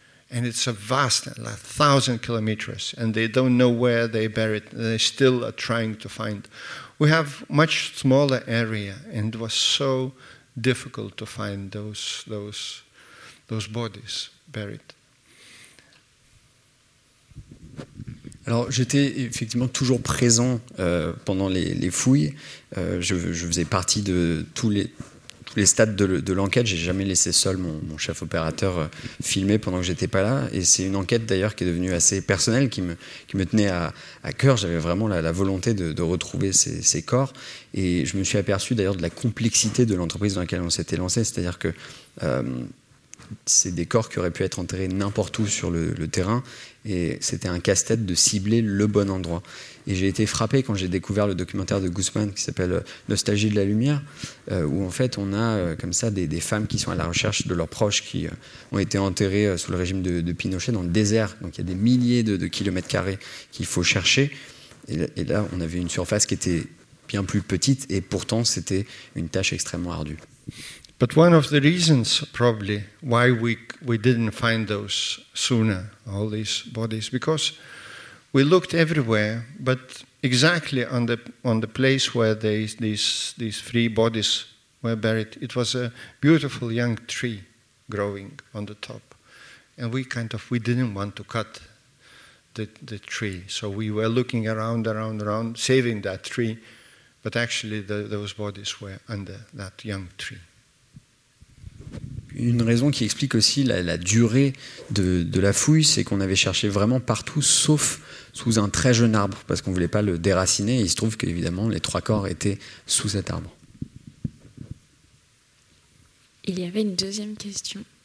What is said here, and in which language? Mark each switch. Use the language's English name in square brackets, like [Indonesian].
[English] And it's a vast, 1,000 kilometers, and they don't know where they buried. They still are trying to find. We have much smaller area, and it was so difficult to find those bodies buried. [French] Alors, j'étais effectivement toujours présent pendant les fouilles. Je faisais partie de tous les stades de l'enquête. J'ai jamais laissé seul mon chef opérateur filmer pendant que j'étais pas là. Et c'est une enquête d'ailleurs qui est devenue assez personnelle, qui me tenait à cœur. J'avais vraiment la volonté de retrouver ces corps. Et je me suis aperçu d'ailleurs de la complexité de l'entreprise dans laquelle on s'était lancé. C'est-à-dire que c'est des corps qui auraient pu être enterrés n'importe où sur le terrain. Et c'était un casse-tête de cibler le bon endroit. Et j'ai été frappé quand j'ai découvert le documentaire de Guzman qui s'appelle Nostalgie de la lumière, où en fait on a comme ça des femmes qui sont à la recherche de leurs proches qui ont été enterrées sous le régime de Pinochet dans le désert. Donc il y a des milliers de kilomètres carrés qu'il faut chercher. Et là, on avait une surface qui était bien plus petite et pourtant c'était une tâche extrêmement ardue. [English] But one of the reasons probably why we didn't find those sooner, all these bodies, because we looked everywhere, but exactly on the place where these three bodies were buried, it was a beautiful young tree growing on the top. And we didn't want to cut the tree. So we were looking around, saving that tree, but actually those bodies were under that young tree. [French] Une raison qui explique aussi la durée de la fouille, c'est qu'on avait cherché vraiment partout, sauf sous un très jeune arbre, parce qu'on ne voulait pas le déraciner. Et il se trouve qu'évidemment, les trois corps étaient sous cet arbre. Il y avait une deuxième question.